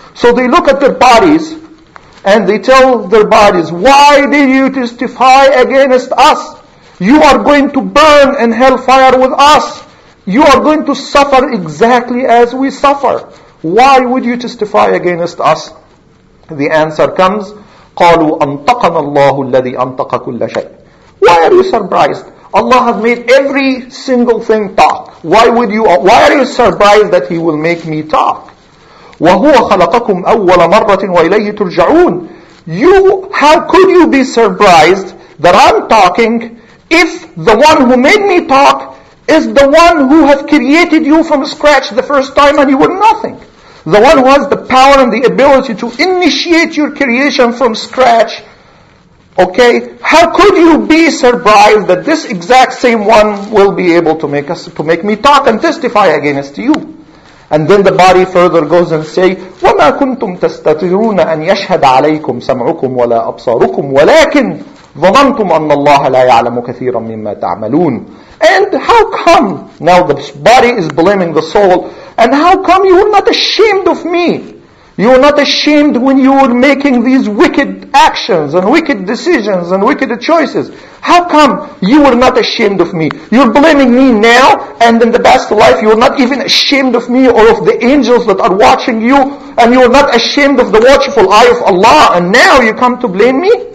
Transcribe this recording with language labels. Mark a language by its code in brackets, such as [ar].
[en] So they look at their bodies, and they tell their bodies, why did you testify against us? You are going to burn in hellfire with us. You are going to suffer exactly as we suffer. Why would you testify against us? The answer comes, [ar] قَالُوا أَنْتَقَنَ اللَّهُ الَّذِي أَنْتَقَ كُلَّ شَيْءٍ. [en] Why are you surprised? Allah has made every single thing talk. Why are you surprised that He will make me talk? [ar] وَهُوَ خَلَقَكُمْ أَوَّلَ مَرَّةٍ وَإِلَيْهِ تُرْجَعُونَ. [en] How could you be surprised that I'm talking if the one who made me talk is the one who has created you from scratch the first time and you were nothing? The one who has the power and the ability to initiate your creation from scratch Okay, how could you be surprised that this exact same one will be able to make us to make me talk and testify against you? And then the body further goes and say, [ar] وَمَا كُنْتُمْ تَسْتَطِيعُونَ أَنْ يَشْهَدَ عَلَيْكُمْ سَمْعُكُمْ وَلَا أَبْصَارُكُمْ وَلَكِنْ ظَنَنْتُمْ أَنَّ اللَّهَ لَا يَعْلَمُ كَثِيرًا مِمَّا تَعْمَلُونَ. [en] And how come, now the body is blaming the soul, and how come you were not ashamed of me? You were not ashamed when you were making these wicked actions and wicked decisions and wicked choices. How come you were not ashamed of me? You're blaming me now, and in the past life you were not even ashamed of me or of the angels that are watching you, and you were not ashamed of the watchful eye of Allah, and now you come to blame me?